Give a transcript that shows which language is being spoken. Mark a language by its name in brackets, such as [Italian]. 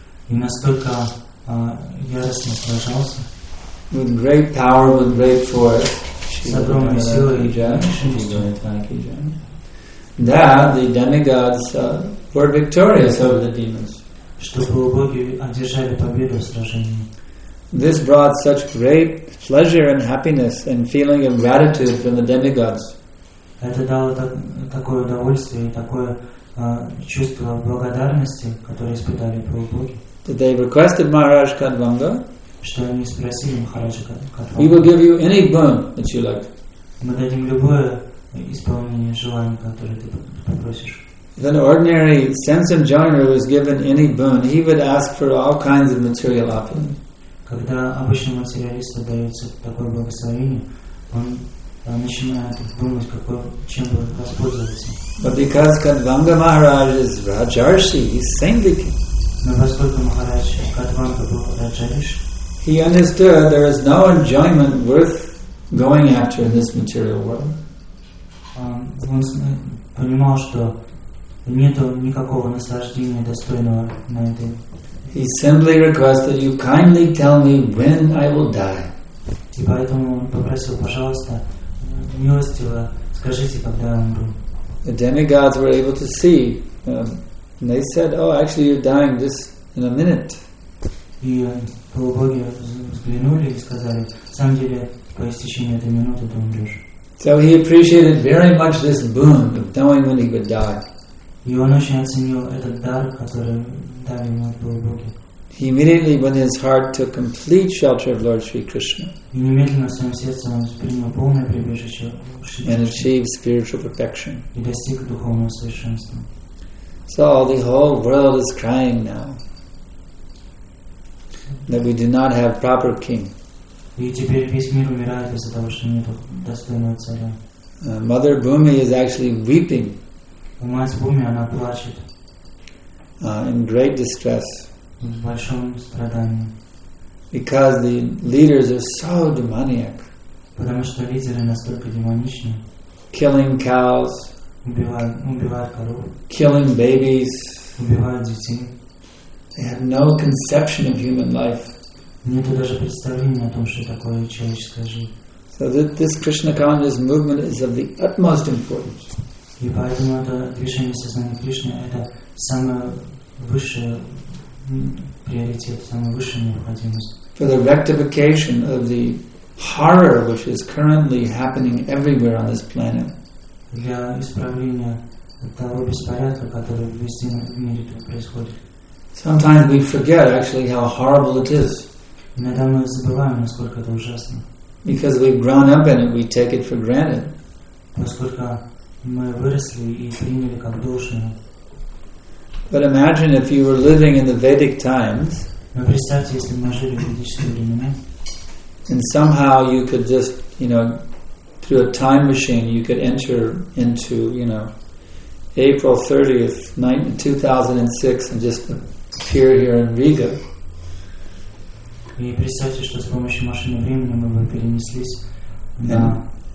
[Russian] И настолько яростно сражался. [English] With great power, with great force. [Russian] С огромной силой [English] и that the demigods were victorious over the demons. [Russian] Чтобы боги одержали победу в сражении. [English] This brought such great pleasure and happiness and feeling of gratitude from the demigods. [Russian] Это дало такое удовольствие и такое чувство благодарности, которое испытали полубоги. [English] That they requested Maharaj Kadvanga. [Russian] Что они спросили Махараджа Кадванга. [English] We will give you any boon that you like. [Russian] Мы дадим любое исполнение желания, которое ты попросишь. [English] If an ordinary sense enjoyer was given any boon, he would ask for all kinds of material opulence. [Russian] Когда обычному материалисту дается такое благословение, он начинает думать, чем бы воспользоваться. [English] But because Kadvanga Maharaj is Rajarshi, he's saintly king. [Russian] Но поскольку Махарадж Кадванга был Раджариш, [English] he understood there is no enjoyment worth going after in this material world. [Russian] Он понимал, что нет никакого наслаждения достойного на этой. [English] He simply requested you kindly tell me when I will die. [Russian] И поэтому он попросил, пожалуйста, милостиво скажите, когда я умру. [English] The demigods were able to see, and they said, "Oh, actually, you're dying just in a minute." [Russian] И полубоги взглянули и сказали, в самом деле, по истечении этой минуты ты умрешь. [English] So he appreciated very much this boon of knowing when he would die. [Russian] И он очень оценил этот дар, который дали ему полубоги. [English] He immediately, when his heart took complete shelter of Lord Sri Krishna, [Russian] и немедленно в своем сердце он принял полное прибежище Шри Кришны, [English] and achieved spiritual perfection. [Russian] И достиг духовного совершенства. [English] So the whole world is crying now that we do not have proper king. [Russian] И теперь весь мир умирает из-за того, что нету достойного царя. [English] Mother Bhumi is actually weeping. [Russian] Мать Бхуми, она плачет. [English] In great distress. [Russian] В большом страдании. [English] Because the leaders are so demoniac. [Russian] Потому что лидеры настолько демоничны. [English] Killing cows. [Russian] Убивают коров. [English] Killing babies. [Russian] Убивают детей. [English] They have no conception of human life. [Russian] Нет даже представления о том, что такое человеческая жизнь. [English] So this Krishna consciousness movement is of the utmost importance. [Russian] И поэтому это движение сознания Кришны это самое высшее приоритет, самая высшая необходимость. [English] For the rectification of the horror which is currently happening everywhere on this planet. [Russian] Для исправления того беспорядка, который везде в мире происходит. [English] Sometimes we forget actually how horrible it is. [Russian] Иногда мы забываем, насколько это ужасно. [English] Because we've grown up in it, we take it for granted. [Russian] Насколько мы выросли и приняли как должное. [English] But imagine if you were living in the Vedic times. [Russian] Но представьте, если мы жили в ведические времена. [English] And somehow you could just, you know, through a time machine, you could enter into, you know, April 30th, 2006, and just appear here in Riga. [Russian] И представьте, что с помощью машины времени мы бы перенеслись на